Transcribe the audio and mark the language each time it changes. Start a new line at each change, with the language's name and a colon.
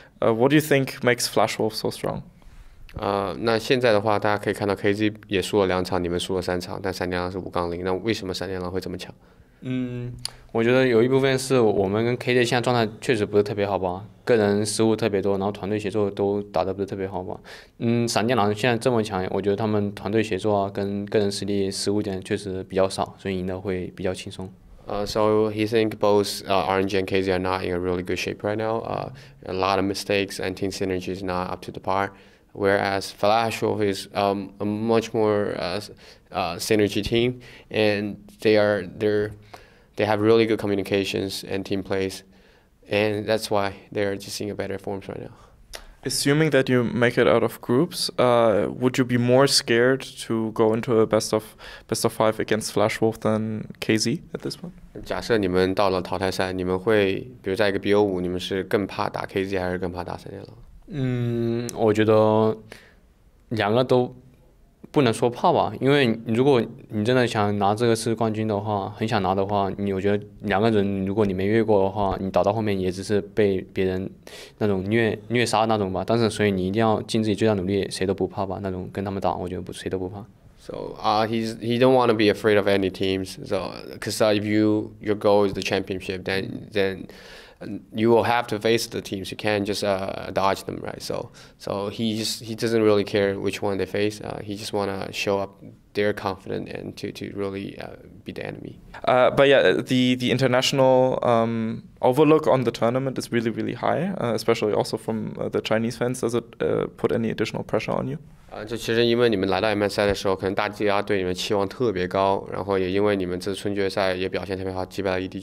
English: What do you think makes Flash Wolves so strong?
Chinese: 那现在的话大家可以看到 KZ也输了两场，你们输了三场，但闪电狼是5-0，那为什么闪电狼会这么强？我觉得有一部分是我们跟 KZ 现在状态确实不是特别好吧，个人失误特别多，然后团队协作都打得不是特别好吧。闪电狼现在这么强，我觉得他们团队协作啊跟个人实力失误点确实比较少，所以赢得会比较轻松。
English: So he think both RNG and KZ are not in a really good shape right now. A lot of mistakes and team synergy is not up to the par. Whereas Flash Wolf is a much more synergy team, and they have really good communications and team plays, and that's why they're just in a better form right now. Assuming that you make it out of groups, would you be more scared to go into a best of five against Flash Wolf than KZ at this point?
Chinese: 假设你们到了淘汰赛，你们会比如在一个 BO5，你们是更怕打 KZ 还是更怕打闪电狼？我觉得两个都不能说怕吧，因为如果你真的想拿这个是冠军的话，很想拿的话，你我觉得两个人如果你没越过的话，你打到后面也只是被别人那种虐杀那种吧。但是所以你一定要尽自己最大努力，谁都不怕吧，那种跟他们打，我觉得谁都不怕。
English: So he don't want to be afraid of any teams. So because your goal is the championship, then you will have to face the teams. You can't just dodge them, right? So he doesn't really care which one they face. He just want to show up their confidence and to really be the enemy. But yeah, the international overlook on the tournament is really, really high, especially also from the Chinese fans. Does it put any additional pressure on you?
Chinese: 就其实因为你们来到 MSI 的时候，可能大家对你们期望特别高，然后也因为你们这次春决赛也表现特别好，击败了